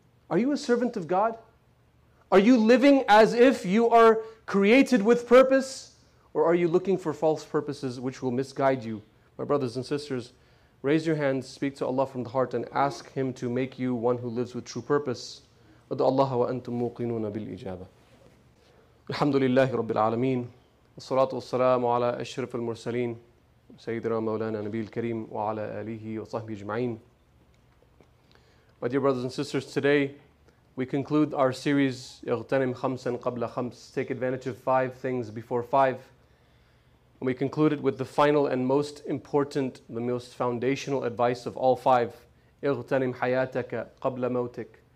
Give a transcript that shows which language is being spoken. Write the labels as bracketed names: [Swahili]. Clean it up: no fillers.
[English] Are you a servant of God? Are you living as if you are created with purpose? Or are you looking for false purposes which will misguide you? My brothers and sisters, raise your hands, speak to Allah from the heart and ask Him to make you one who lives with true purpose. [Arabic] وَدُعَ اللَّهَ وَأَنْتُمْ مُوقِنُونَ بِالْإِجَابَةِ الحمد لله رب العالمين الصلاة والسلام على أشرف المرسلين سيدنا مولانا نبي الكريم وعلى آله وصحبه أجمعين. [English] My dear brothers and sisters, today we conclude our series [Arabic] اغتنم خمساً قبل خمس, [English] take advantage of five things before five. And we concluded with the final and most important, the most foundational advice of all five. [Arabic] اغتنم حياتك قبل موتك.